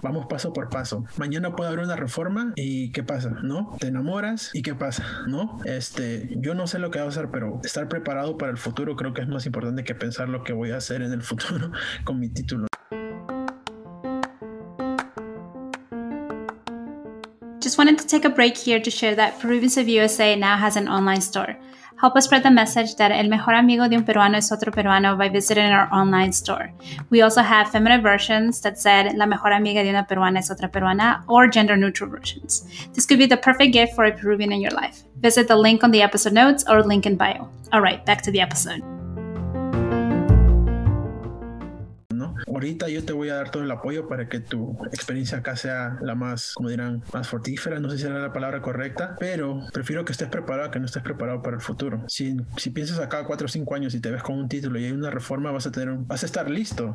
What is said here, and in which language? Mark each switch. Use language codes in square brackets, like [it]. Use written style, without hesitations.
[es] Vamos paso por paso. Mañana puede haber una reforma y ¿qué pasa? ¿No? Te enamoras y ¿qué pasa? ¿No? Yo no sé lo que va a hacer, pero estar preparado para el futuro creo que es más importante que pensar lo que voy a hacer en el futuro con mi título. [en] Just wanted to take a break here to share that Peruvians of USA now has an online store. Help us spread the message that [es] el mejor amigo de un peruano es otro peruano [en] by visiting our online store. We also have feminine versions that said [es] la mejor amiga de una peruana es otra peruana, [en] or gender neutral versions. This could be the perfect gift for a Peruvian in your life. Visit the link on the episode notes or link in bio. All right, back to the episode. [es] Ahorita yo te voy a dar todo el apoyo para que tu experiencia acá sea la más, como dirán, más fortífera. No sé si era la palabra correcta, pero prefiero que estés preparado a que no estés preparado para el futuro. Si piensas acá 4 o 5 años y te ves con un título y hay una reforma, vas a estar listo.